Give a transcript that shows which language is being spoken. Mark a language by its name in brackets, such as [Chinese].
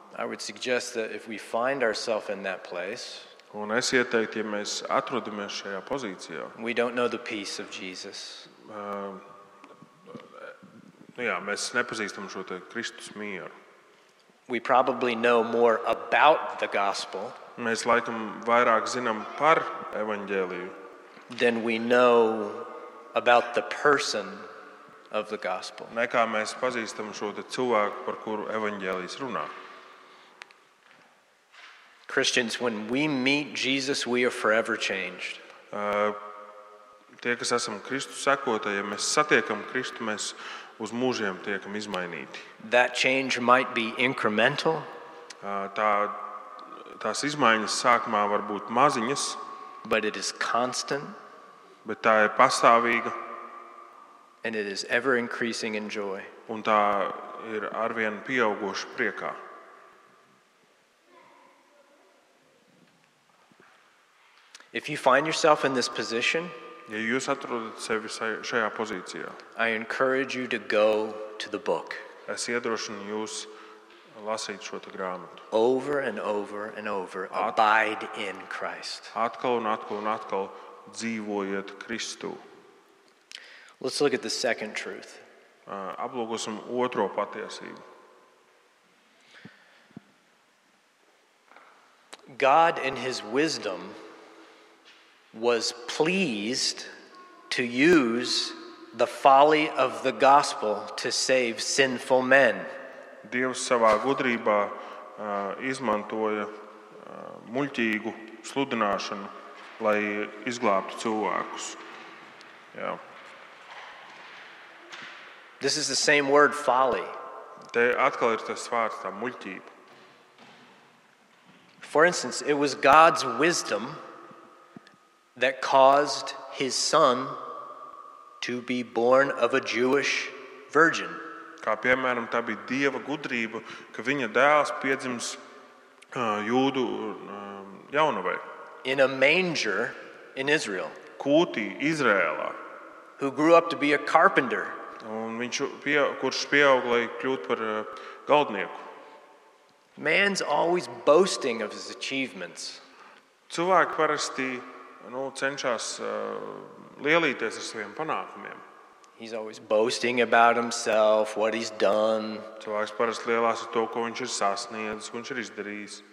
[English] I would suggest that if we find ourselves in that place, [Latvian] un es ieteiktu, ja mēs atrodamies šajā pozīcijā, [English] we don't know the peace of Jesus. [Latvian] Mēs nepazīstam šo te Kristus mieru. [English] We probably know more about the gospel. [Latvian] Mēs laikam vairāk zinām par evaņģēliju. [English] Then we know about the person of the gospel. [Latvian] Nekā mēs pazīstam šo te cilvēku, par kuru evaņģēlijs runā. [English] Christians, when we meet Jesus, we are forever changed. [Latvian] Tie, kas esam Kristu sekotāji, ja mēs satiekam Kristu, mēs uz mūžiem tiekam izmainīti. [English] That change might be incremental. [Latvian] Tās izmaiņas sākumā var būt maziņas, [English] but it is constant, [Latvian] bet tā ir pastāvīga, [English] and it is ever increasing in joy. [Latvian] Un tā ir arvien pieaugoša priekā. [English] If you find yourself in this position, [Latvian] ja jūs atrodat sevi šajā pozīcijā, [English] I encourage you to go to the book. [Latvian] Es iedrošinu jūs lasīt šo te grāmatu. [English] Over and over and over, abide in Christ. [Latvian] Atkal un atkal un atkal dzīvojiet Kristu. [English] Let's look at the second truth. [Latvian] aplūkosim otro patiesību. [English] God in his wisdom was pleased to use the folly of the gospel to save sinful men. [Latvian] Dievs savā gudrībā izmantoja muļķīgu sludināšanu, lai izglābtu cilvēkus. Jā. [English] This is the same word folly. [Latvian] Te atkal ir tas vārds, tā muļķība. [English] For instance, it was God's wisdom that caused his son to be born of a Jewish virgin. [Latvian] Kā piemēram, tā bija Dieva gudrība, ka viņa dēls piedzims jūdu jaunavai. [English] In a manger in Israel. [Latvian] Kūtī Izrēlā. [English] Who grew up to be a carpenter. [Latvian] Un viņš kurš pieauga, lai kļūt par galdnieku. [English] Man's always boasting of his achievements. [Latvian] Cilvēki parasti, nu, cenšas lielīties ar saviem panākumiem. [English] He's always boasting about himself, what he's done. [Latvian] Cilvēks parasti lielās ar to, ko viņš ir sasniedzis, ko viņš ir izdarījis.